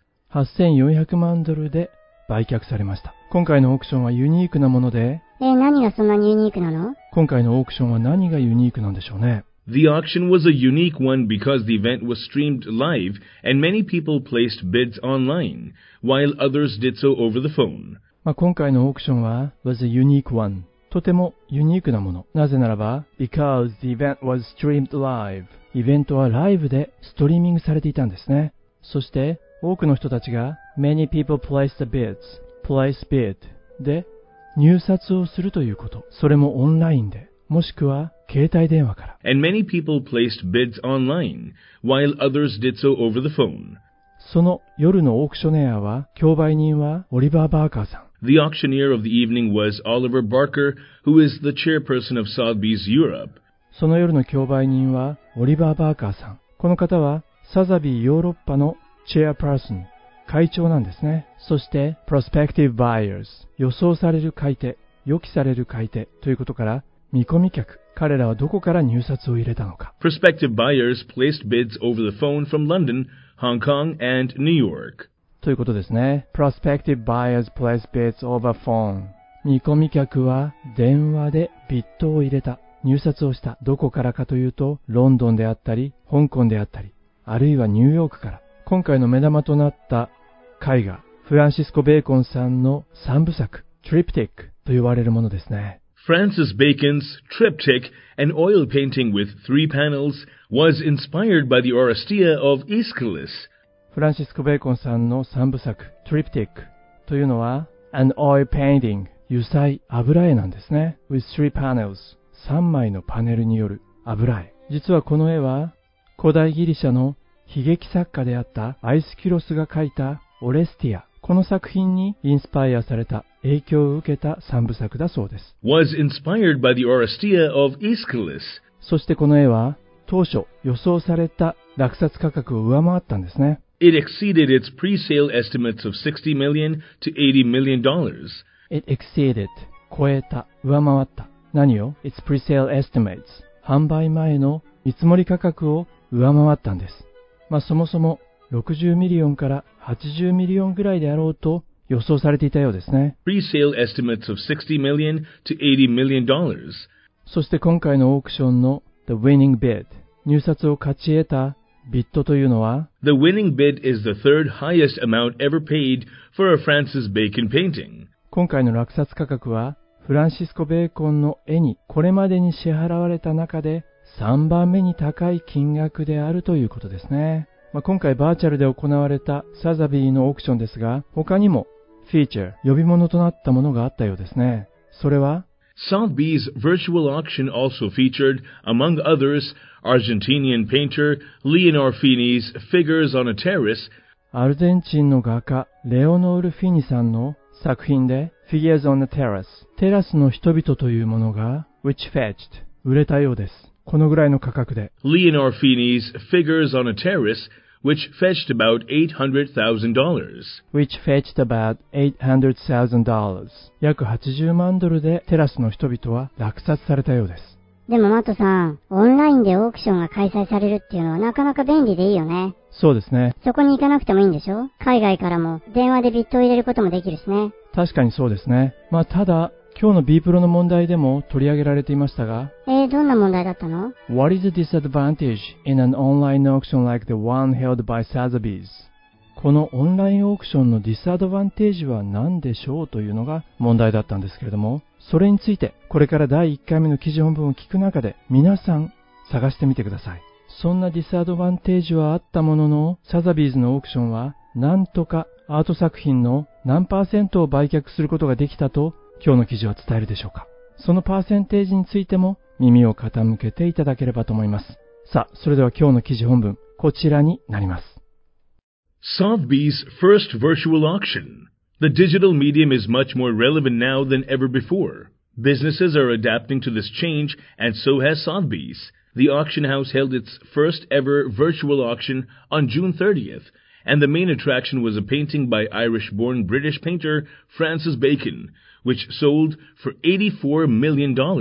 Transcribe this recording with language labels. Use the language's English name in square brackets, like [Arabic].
[Japanese] 8400万ドルで売却されました。今回のオークションはユニークなもので、何がそんなにユニークなの？今回のオークションは何がユニークなんでしょうね。 [English] The auction was a unique one because the event was streamed live and many people placed bids online, while others did so over the phone. [Japanese] まあ今回のオークションは [English] was a unique one。 [Japanese] とてもユニークなもの。なぜならば、 [English] because the event was streamed live。 [Japanese] イベントはライブでストリーミングされていたんですね。そして多くの人たちが、 [English] many people placed the bids。 Place bid [Japanese] で入札をするということ、それもオンラインで、もしくは携帯電話から。 [English] And many people placed bids online, while others did so over the phone. [Japanese] その夜のオークショネアは、競売人はオリバー・バーカーさん。 The auctioneer of the evening was Oliver Barker, who is the chairperson of Sotheby's Europe. その夜の競売人はオリバー・バーカーさん。この方はサザビーヨーロッパのチェアパーソン、会長なんですね。そして、 [English] prospective buyers、 [Japanese] 予想される買い手、予期される買い手ということから、見込み客、彼らはどこから入札を入れたのか。 [English] Prospective buyers placed bids over the phone from London, Hong Kong and New York. [Japanese] ということですね。 [English] Prospective buyers placed bids over phone. [Japanese] 見込み客は電話でビットを入れた、入札をした。どこからかというと、ロンドンであったり、香港であったり、あるいはニューヨークから。今回の目玉となった絵画、フランシスコ・ベーコンさんの三部作、Triptych と呼ばれるものですね。 [English] Francis Bacon's Triptych, an oil painting with three panels, was inspired by the Oresteia of Aeschylus. [Japanese] フランシスコ・ベーコンさんの三部作、Triptych というのは、 [English] an oil painting, [Japanese] 油彩、油絵なんですね。 [English] with three panels, [Japanese] 三枚のパネルによる油絵。実はこの絵は、古代ギリシャの悲劇作家であったアイスキュロスが描いたオレスティア。この作品にインスパイアされた、影響を受けた三部作だそうです。 [English] Was inspired by the Oresteia of Aeschylus. [Japanese] そしてこの絵は、当初予想された落札価格を上回ったんですね。 [English] It exceeded its pre-sale estimates of $60 million to $80 million. It exceeded, [Japanese] 超えた、上回った。何を? [English] Its pre-sale estimates, [Japanese] 販売前の見積もり価格を上回ったんです。まあそもそも60ミリオンから80ミリオンぐらいであろうと予想されていたようですね。 [English] Pre-sale estimates of $60 million to $80 million. [Japanese] そして今回のオークションの [English] The Winning Bid、 [Japanese] 入札を勝ち得たビットというのは、 [English] The Winning Bid is the third highest amount ever paid for a Francis Bacon painting. [Japanese] 今回の落札価格は、フランシスコ・ベーコンの絵にこれまでに支払われた中で、3番目に高い金額であるということですね。まあ、今回バーチャルで行われたサザビーのオークションですが、他にもフィーチャー、呼び物となったものがあったようですね。それは、 [English] Sotheby's virtual auction also featured, among others, Argentinian painter Leonor Fini's Figures on a Terrace. [Japanese] アルゼンチンの画家、レオノール・フィニさんの作品で、Figures on a Terrace、テラスの人々というものが、 [English] which fetched、 [Japanese] 売れたようです。このぐらいの価格で。 [English] Leonor Fini's Figures on a Terrace, which fetched about $800,000. Which fetched about $800,000. [Japanese] 約80万ドルでテラスの人々は落札されたようです。でもマットさん、オンラインでオークションが開催されるっていうのはなかなか便利でいいよね。そうですね。そこに行かなくてもいいんでしょ?海外からも電話でビットを入れることもできるしね。確かにそうですね。まあただ、今日の B プロの問題でも取り上げられていましたが、どんな問題だったの? [English] What is the disadvantage in an online auction like the one held by Sotheby's? [Japanese] このオンラインオークションのディスアドバンテージは何でしょうというのが問題だったんですけれども、それについてこれから第1回目の記事本文を聞く中で皆さん探してみてください。そんなディスアドバンテージはあったものの、サザビーズのオークションはなんとかアート作品の何パーセントを売却することができたと今日の記事は伝えるでしょうか。そのパーセンテージについても耳を傾けていただければと思います。さあ、それでは今日の記事本文、こちらになります。 [English] Sotheby's first virtual auction. The digital medium is much more relevant now than ever before. Businesses are adapting to this change, and so has Sotheby's. The auction house held its first ever virtual auction on June 30th, and the main attraction was a painting by Irish-born British painter Francis Bacon, which sold for $84 million.